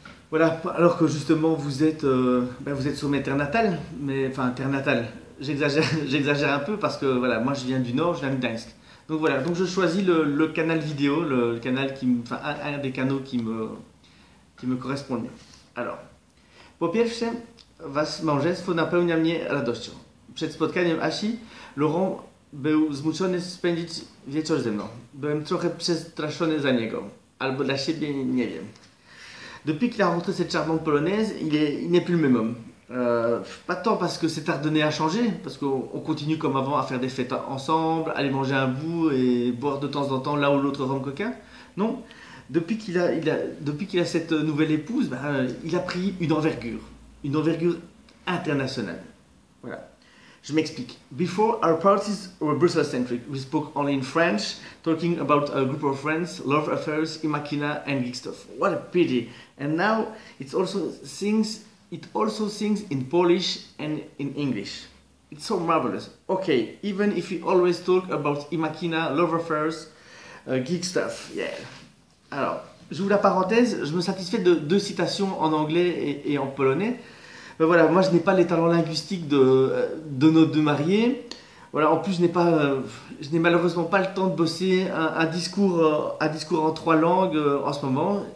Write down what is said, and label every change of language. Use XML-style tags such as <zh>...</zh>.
<fr>Voilà, alors que justement vous êtes sur mes terres natales, mais enfin terres natales, j'exagère un peu parce que voilà, moi je viens du Nord, je viens de Gdańsk. Donc voilà, donc je choisis le canal vidéo, le canal qui me, enfin un des canaux qui me correspond le mieux.</fr> <pl>Alors, po pierwsze, was może napełnia mnie radością. Przed spotkaniem Asi, Laurent był zmuszony spędzić wieczór ze mną. Byłem trochę przestraszony za niego, albo dla siebie, nie wiem.</pl> <fr>Depuis qu'il a rencontré cette charmante polonaise, il n'est plus le même homme. Pas tant parce que cet Ardennais a changé, parce qu'on continue comme avant à faire des fêtes ensemble, aller manger un bout et boire de temps en temps là où l'autre rhum coquin. Non, depuis qu'il a cette nouvelle épouse, il a pris une envergure internationale. Voilà. Je m'explique.</fr> <en>Before, our parties were Brussels-centric. We spoke only in French, talking about a group of friends, love affairs, Imakina and geek stuff. What a pity. And now, it also sings in Polish and in English. It's so marvelous. Okay, even if we always talk about Imakina, love affairs, geek stuff. Yeah.</en> <fr>Alors, j'ouvre la parenthèse. Je me satisfais de deux citations en anglais et en polonais. Ben voilà, moi je n'ai pas les talents linguistiques de nos deux mariés. Voilà, en plus je n'ai malheureusement pas le temps de bosser un discours en trois langues en ce moment.</fr>